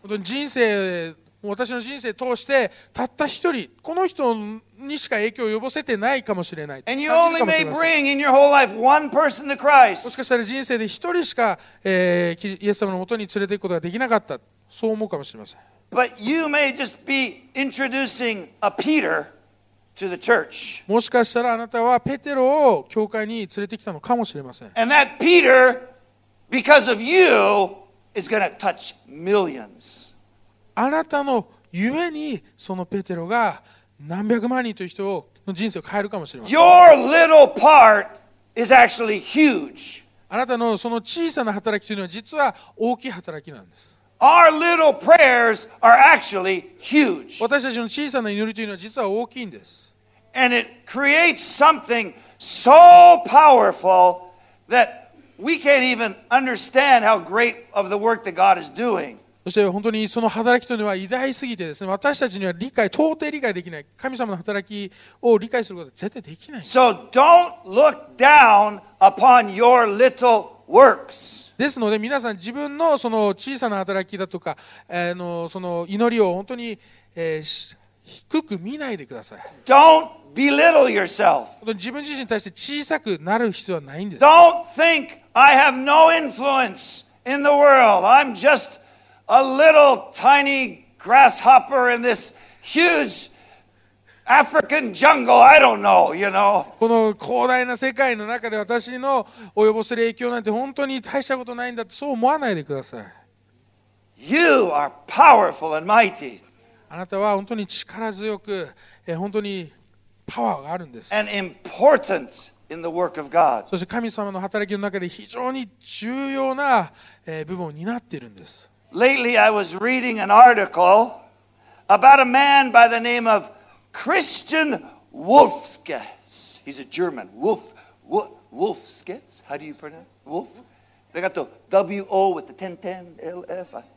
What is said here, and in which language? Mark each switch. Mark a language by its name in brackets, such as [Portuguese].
[Japanese] 人生、私の人生通してたった一人、この人にしか影響を及ぼせてないかもしれない。 [English] And you only may bring in your whole life one person to Christ. [Japanese] もしかしたら人生で一人しか、イエス様のもとに連れていくことができなかった、そう思うかもしれません。 [English] But you may just be introducing a Peter. To the church. [Japanese] もしかしたらあなたはペテロを教会に連れてきたのかもしれません。 [English] And that Peter, because of you, is going to touch millions. [Japanese] あなたのゆえにそのペテロが何百万人という人の人生を変えるかもしれません。 [English] Your little part is actually huge. [Japanese] あなたのその小さな働きというのは実は大きい働きなんです。 [English] Our little prayers are actually huge. [Japanese] 私たちの小さな祈りというのは実は大きいんです。 [English] And it creates something so powerful that we can't even understand how great of the work that God is doing. [Japanese] そして本当にその働きというのは偉大すぎてですね、私たちには理解、到底理解できない、神様の働きを理解することは絶対できない。 [English] So don't look down upon your little works. [Japanese] ですので皆さん自分のその小さな働きだとか、その祈りを本当に、低く見ないでください。 [English] Don't belittle yourself. [Japanese] 自分自身に対して小さくなる必要はないんです。 [English] Don't think I have no influence in the world. I'm justA little tiny grasshopper in this huge African jungle. I don't know, you know. [Japanese] この広大な世界の中で私の及ぼせる影響なんて本当に大したことないんだってそう思わないでください。 [English] You are powerful and mighty. [Japanese] あなたは本当に力強く、本当にパワーがあるんです。 [English] And important in the work of God. [Japanese] そして神様の働きの中で非常に重要な部分を担っているんです。 [English] Lately, I was reading an article about a man by the name of Christian Wolfskes. He's a German. Wolfskes? How do you pronounce it? Wolf? They got the W-O with the 10-10 L-F.